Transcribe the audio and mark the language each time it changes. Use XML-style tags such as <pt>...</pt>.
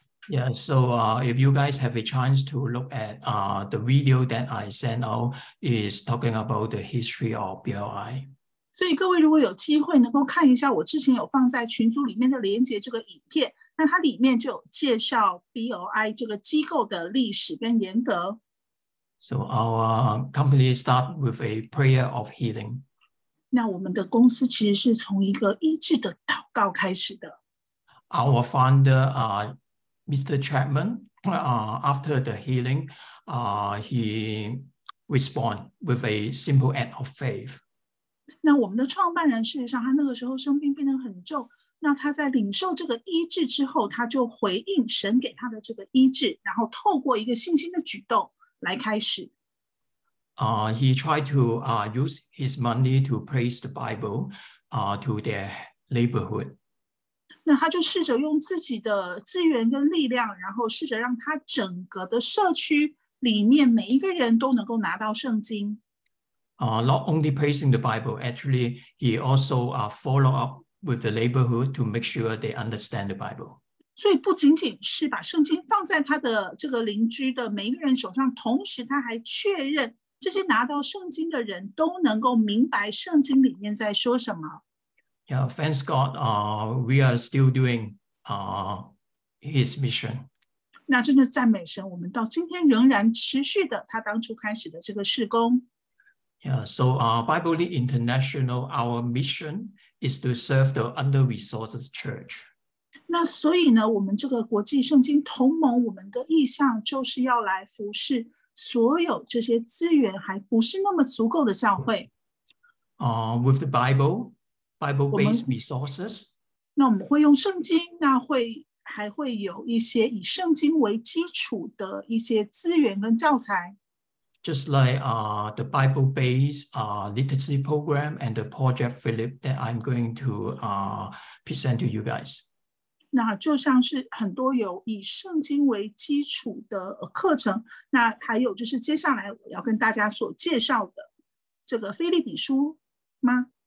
<en>Yeah, so if you guys have a chance to look at the video that I sent out, is talking about the history of BLI.</en> <zh>所以各位如果有机会能够看一下我之前有放在群组里面的连结这个影片，那它里面就有介绍 BLI 这个机构的历史跟严格。</zh> <en>So our company start with a prayer of healing.</en> <zh>那我们的公司其实是从一个医治的祷告开始的。</zh> <en>Our founder Mr. Chapman after the healing he respond with a simple act of faith.</en> <zh>那我们的创办人事实上他那个时候生病变得很重，那他在领受这个医治之后，他就回应神给他的这个医治，然后透过一个信心的举动来开始。</zh> <en>He tried to use his money to praise the Bible to their neighborhood.</en> <zh>那他就试着用自己的资源跟力量，然后试着让他整个的社区里面每一个人都能够拿到圣经。</zh> <en>Not only praising the Bible, actually, he also follow up with the neighborhood to make sure they understand the Bible.</en> <zh>所以不仅仅是把圣经放在他的这个邻居的每一个人手上，同时他还确认这些拿到圣经的人都能够明白圣经里面在说什么。</zh> <en>Yeah, thanks God. We are still doing his mission.</en> <zh>那真的赞美神，我们到今天仍然持续的他当初开始的这个事工。</zh> <en>Yeah, so Bible League International, our mission is to serve the under-resourced church.</en> <zh>那所以呢，我们这个国际圣经同盟，我们的意向就是要来服侍所有这些资源还不是那么足够的教会。</zh> <en>With the Bible-based resources.</en> <zh>那我们会用圣经，那会还会有一些以圣经为基础的一些资源跟教材。</zh> <en>Just like the Bible-based literacy program and the Project Philip that I'm going to present to you guys.</en> <zh>那就像是很多有以圣经为基础的课程，那还有就是接下来我要跟大家所介绍的这个腓立比书吗？</zh>